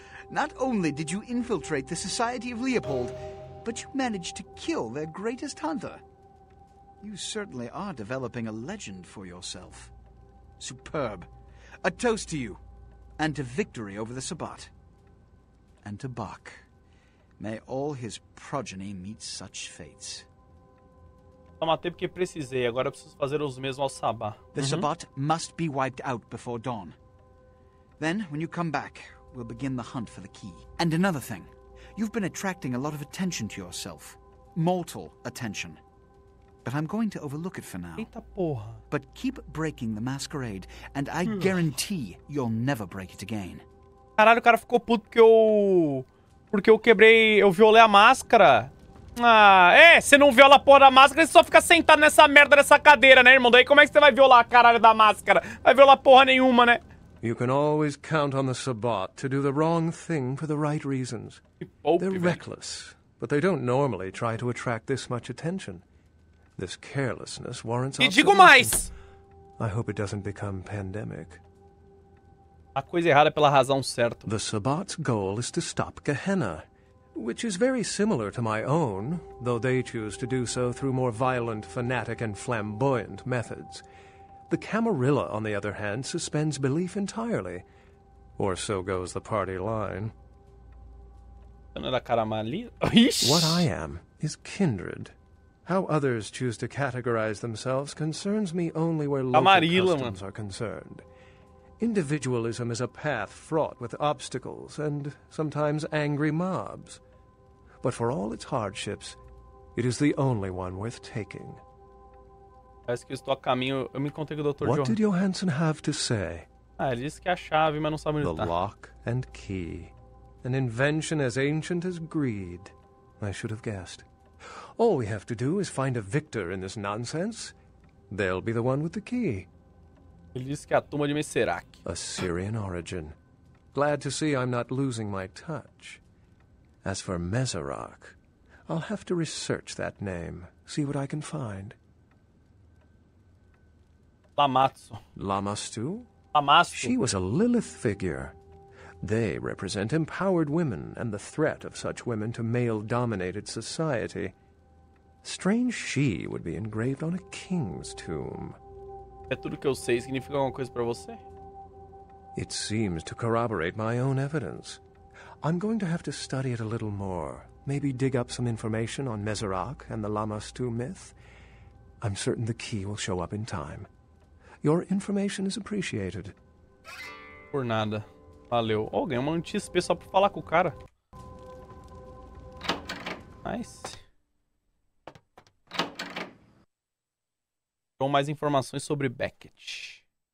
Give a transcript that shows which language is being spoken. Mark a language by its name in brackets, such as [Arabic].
[English] Not only did you infiltrate the Society of Leopold, but you managed to kill their greatest hunter. You certainly are developing a legend for yourself. Superb. A toast to you, and to victory over the Sabbat, and to Bach. May all his progeny meet such fates. [Portuguese] Só matei porque precisei, agora eu preciso fazer os mesmos ao Sabá. [English] The Sabbat must be wiped out before dawn. Then, when you come back, we'll begin the hunt for the key. And another thing, you've been attracting a lot of attention to yourself. Mortal attention. But I'm going to overlook it for now. [Portuguese] Eita porra. [English] But keep breaking the masquerade, and I guarantee you'll never break it again. [Portuguese] Caralho, o cara ficou puto porque eu quebrei, eu violei a máscara. Ah, é, você não viola a porra da máscara, você só fica sentado nessa merda, nessa cadeira, né, irmão? Daí como é que você vai violar a caralho da máscara? Vai violar porra nenhuma, né? [English] You can always count on the Sabbat to do the wrong thing for the right reasons. They're reckless, but they don't normally try to attract this much attention. This carelessness warrants observation. [Portuguese] E digo mais! [English] I hope it doesn't become pandemic. [Portuguese] A coisa errada pela razão certa. [English] The Sabbat's goal is to stop Gehenna, which is very similar to my own, though they choose to do so through more violent, fanatic, and flamboyant methods. The Camarilla, on the other hand, suspends belief entirely. Or so goes the party line. What I am is kindred. How others choose to categorize themselves concerns me only where local customs are concerned. Individualism is a path fraught with obstacles and sometimes angry mobs. But for all its hardships, it is the only one worth taking. [Portuguese] Parece que estou a caminho. Eu me encontrei com o Dr. [English] What John. Did Johansson have to say? [Portuguese] Ah, ele disse que é a chave, mas não sabe onde [English] the [Portuguese] tá. [English] The lock and key. An invention as ancient as greed. I should have guessed. All we have to do is find a victor in this nonsense. They'll be the one with the key. [Portuguese] Ele disse que é a tumba de Messerac. [English] Assyrian origin. Glad to see I'm not losing my touch. As for Meserach, I'll have to research that name, see what I can find. Lamatsu. Lamastu? Lamastu. She was a Lilith figure. They represent empowered women and the threat of such women to male-dominated society. Strange she would be engraved on a king's tomb. [Portuguese] É tudo que eu sei. Significa alguma coisa para você? [English] It seems to corroborate my own evidence. I'm going to have to study it a little more. Maybe dig up some information on Meserach and the Lamastu myth. I'm certain the key will show up in time. Your information is appreciated. [Portuguese] Por nada. Valeu. Oh, ganhei uma notícia pessoal pra falar com o cara. [English] Nice. [Portuguese] Com mais informações sobre Beckett.